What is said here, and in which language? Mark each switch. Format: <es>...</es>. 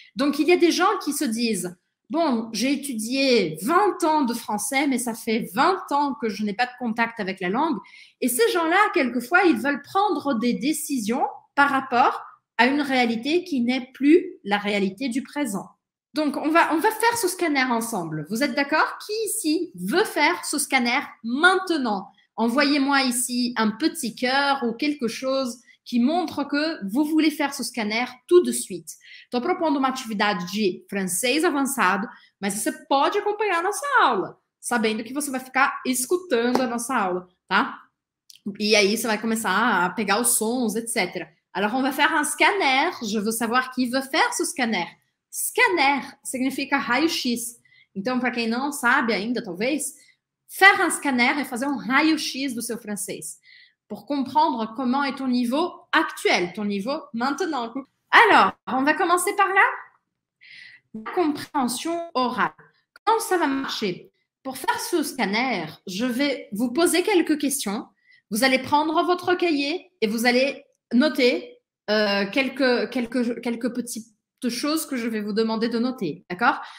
<fr>Donc, il y a des gens qui se disent « Bon, j'ai étudié 20 ans de français, mais ça fait 20 ans que je n'ai pas de contact avec la langue. » Et ces gens-là, quelquefois, ils veulent prendre des décisions par rapport à une réalité qui n'est plus la réalité du présent. Donc, on va faire ce scanner ensemble. Vous êtes d'accord? Qui ici veut faire ce scanner maintenant? Envoyez-moi ici un petit cœur ou quelque chose qui montre que vous voulez faire ce scanner tout de suite.</fr> <pt>Estou propondo uma atividade de francês avançado, mas você pode acompanhar nossa aula, sabendo que você vai ficar escutando a nossa aula, tá? E aí você vai começar a pegar os sons, etc.</pt> <fr>Alors, on va faire un scanner. Je veux savoir qui veut faire ce scanner.</fr> <pt>Scanner significa raio-x. Então, para quem não sabe ainda, talvez,</pt> <fr>faire un scanner</fr> <pt>é fazer um raio-x do seu francês</pt> <fr>pour comprendre comment est ton niveau actuel, ton niveau maintenant. Alors, on va commencer par là. La compréhension orale. Comment ça va marcher? Pour faire ce scanner, je vais vous poser quelques questions. Vous allez prendre votre cahier et vous allez noter quelques petites choses que je vais vous demander de noter, d'accord?</fr>